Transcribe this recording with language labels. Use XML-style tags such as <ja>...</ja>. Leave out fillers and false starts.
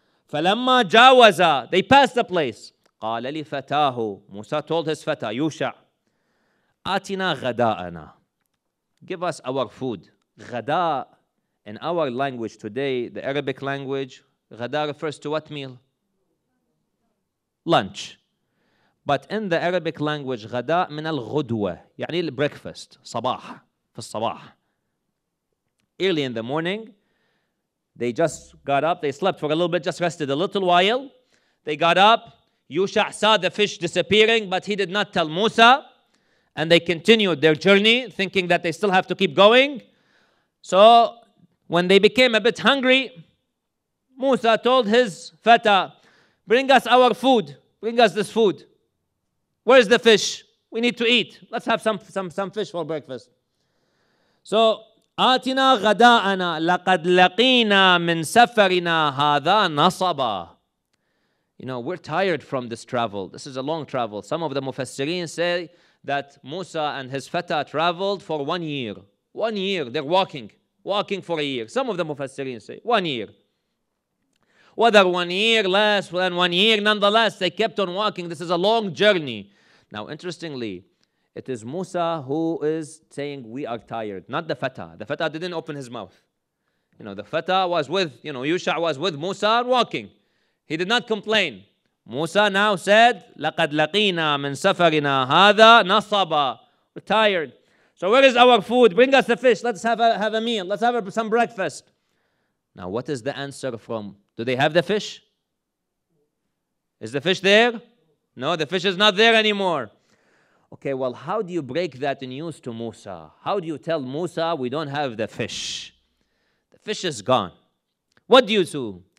<ar>فَلَمَّا جَاوَزَا</ar> <en>They passed the place.</en> <ar>قَالَ لِفَتَاهُ</ar> <en>Musa told his fata, Yusha,</en> <ar>أَتِنَا غَدَاءَنَا</ar> <en>Give us our food. غَدَاء In our language today, the Arabic language, غَدَاء refers to what meal? Lunch. But in the Arabic language,</en> <ar>غداء من الغدوة يعني breakfast, صباح في الصباح.</ar> <en>Early in the morning, they just got up. They slept for a little bit, just rested a little while. They got up. Yusha saw the fish disappearing, but he did not tell Musa. And they continued their journey, thinking that they still have to keep going. So when they became a bit hungry, Musa told his fata, bring us our food. Bring us this food. Where's the fish? We need to eat. Let's have some fish for breakfast.</en> <ar>So, آتنا غداءنا لقد لقينا من سفرنا هذا نصبا.</ar> <en>You know, we're tired from this travel. This is a long travel. Some of the Mufassirin say that Musa and his fata traveled for 1 year. 1 year, they're walking for a year. Some of the Mufassirin say 1 year. Whether 1 year less than 1 year, nonetheless, they kept on walking. This is a long journey. Now, interestingly, it is Musa who is saying, we are tired, not the fata. The fata didn't open his mouth. You know, the fata was with, you know, Yusha was with Musa walking. He did not complain. Musa now said,</en> <ar>لَقَدْ لَقِينَا مِن سَفَرِنَا هَذَا نَصَبَا</ar> <en>We're tired. So where is our food? Bring us the fish. Let's have a meal. Let's have some breakfast. Now, what is the answer from? Do they have the fish? Is the fish there? No, the fish is not there anymore. Okay, well, how do you break that news to Musa? How do you tell Musa we don't have the fish? The fish is gone. What do you do?</en>